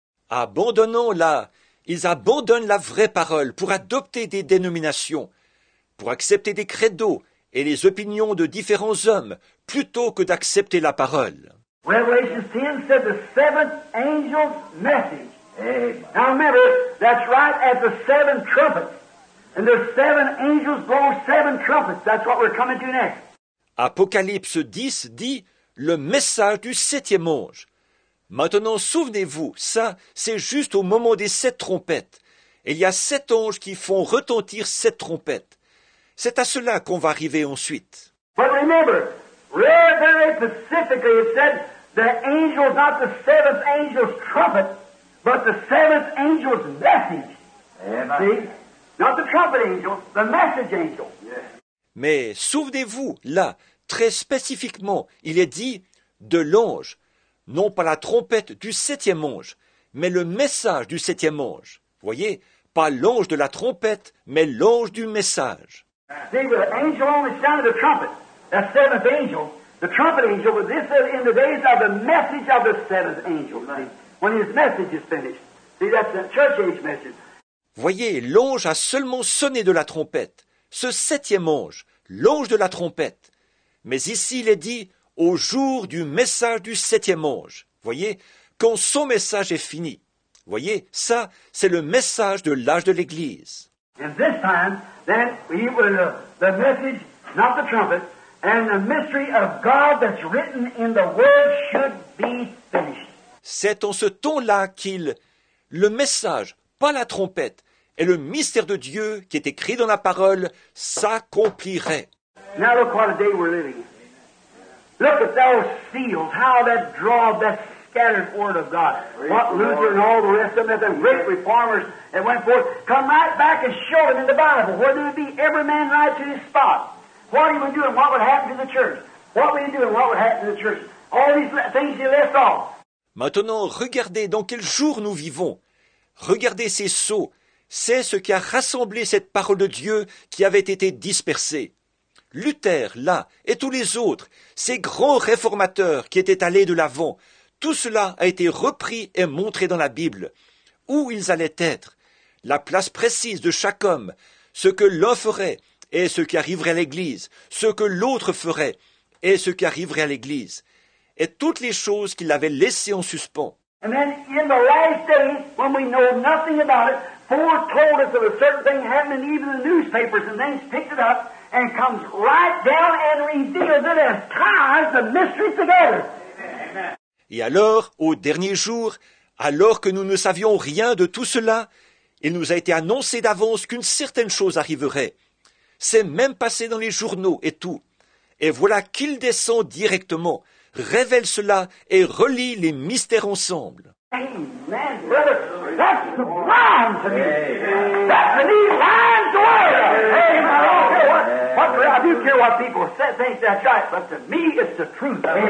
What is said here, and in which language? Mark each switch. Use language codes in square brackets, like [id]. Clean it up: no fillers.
[fr] Abandonnons-la, ils abandonnent la vraie parole pour adopter des dénominations, pour accepter des credos, et les opinions de différents hommes, plutôt que d'accepter la parole. [en] Revelation 10 said the seventh angel's message. Amen. Now remember, that's right at the seven trumpets. And the seven angels blow seven trumpets. That's what we're coming to next. [fr] Apocalypse 10 dit « Le message du septième ange ». Maintenant, souvenez-vous, ça, c'est juste au moment des sept trompettes. Il y a sept anges qui font retentir sept trompettes. C'est à cela qu'on va arriver ensuite. [en] But remember, very specifically it said the angel is not the seventh angel's trumpet, but the seventh angel's message. See? Not the trumpet angel, the message angel. Yes. [fr] Mais souvenez-vous, là, très spécifiquement, il est dit de l'ange, non pas la trompette du septième ange, mais le message du septième ange. Voyez, pas l'ange de la trompette, mais l'ange du message. [en] See, with the angel only sounded the trumpet, the seventh angel, the trumpet angel, but this is in the days of the message of the seventh angel, when his message is finished. See, that's the church age message. [fr] Voyez, l'ange a seulement sonné de la trompette. Ce septième ange, l'ange de la trompette. Mais ici, il est dit, au jour du message du septième ange. Voyez, quand son message est fini. Voyez, ça, c'est le message de l'âge de l'Église. [en] And this time, then, we will, the message, not the trumpet, and the mystery of God that's written in the Word should be finished. [fr] C'est en ce temps-là qu'il, le message, pas la trompette, et le mystère de Dieu qui est écrit dans la parole s'accomplirait. [en] Now look what a day we're living in. Look at those seals, how that draw that scattered word of God. What Luther and all the rest of them, the great reformers that went forth, come right back and show them in the Bible, where there would be every man right to his spot. What he would do and what would happen to the church. What would he do and what would happen to the church. All these things he left off. [fr] Maintenant, regardez dans quel jour nous vivons. Regardez ces sceaux. C'est ce qui a rassemblé cette parole de Dieu qui avait été dispersée. Luther, là, et tous les autres, ces grands réformateurs qui étaient allés de l'avant, tout cela a été repris et montré dans la Bible. Où ils allaient être, la place précise de chaque homme, ce que l'un ferait et ce qui arriverait à l'Église, ce que l'autre ferait et ce qui arriverait à l'Église, et toutes les choses qu'il avait laissées en suspens. [en] And then in the last day, when we know nothing about it, foretold us of a certain thing happening, even the newspapers, and then he's picked it up and comes right down and reveals it and ties the mystery together. Amen. [fr] Et alors, au dernier jour, alors que nous ne savions rien de tout cela, il nous a été annoncé d'avance qu'une certaine chose arriverait. C'est même passé dans les journaux et tout. Et voilà qu'il descend directement, révèle cela et relie les mystères ensemble. [en] Amen, brother. That's the blind to me. That's the new blind to us. Amen. I do care what people say, think that's right, but to me it's the truth.